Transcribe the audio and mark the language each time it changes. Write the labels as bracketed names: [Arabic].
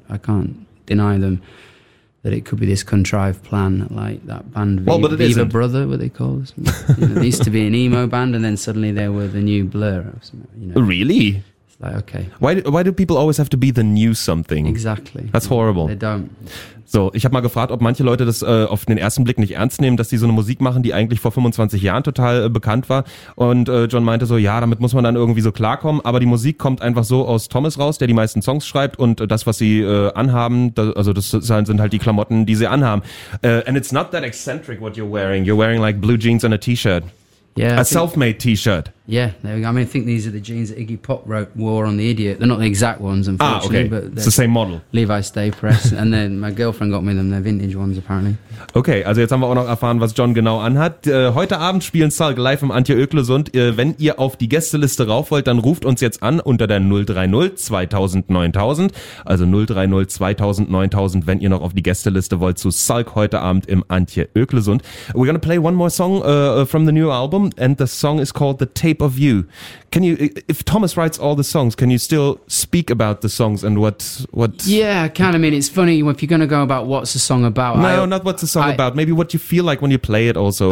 [English] I can't deny them. That it could be this contrived plan, like that band Viva Brother, what they call it. You know, it used to be an emo band, and then suddenly there were the new Blur. You know. Really? It's like, okay. Why do people always have to be the new something? Exactly. That's horrible. They don't. [German] So, ich habe mal gefragt, ob manche Leute das auf den ersten Blick nicht ernst nehmen, dass die so eine Musik machen, die eigentlich vor 25 Jahren total bekannt war. Und John meinte so, ja, damit muss man dann irgendwie so klarkommen. Aber die Musik kommt einfach so aus Thomas raus, der die meisten Songs schreibt. Und das, was sie anhaben, sind halt die Klamotten, die sie anhaben. [English] And it's not that eccentric what you're wearing. You're wearing like blue jeans and a t-shirt. Yeah, self-made t-shirt. Yeah, there we go. I mean, I think these are the jeans that Iggy Pop wore on The Idiot. They're not the exact ones, unfortunately. Ah, okay. But it's the same model. Levi Stay Press. And then my girlfriend got me them. They're vintage ones, apparently. [German] Okay, also jetzt haben wir auch noch erfahren, was John genau anhat. Heute Abend spielen Salk live im Antje Öklesund. Wenn ihr auf die Gästeliste rauf wollt, dann ruft uns jetzt an unter der 030 2000 9000. Also 030 2000 9000, wenn ihr noch auf die Gästeliste wollt, zu Salk heute Abend im Antje Öklesund. [English] We're gonna play one more song from the new album. And the song is called The Tape of You. Can you, if Thomas writes all the songs, can you still speak about the songs and what? Yeah, I can. I mean, it's funny, if you're going to go about what's the song about. No, not what's the song about. Maybe what you feel like when you play it also.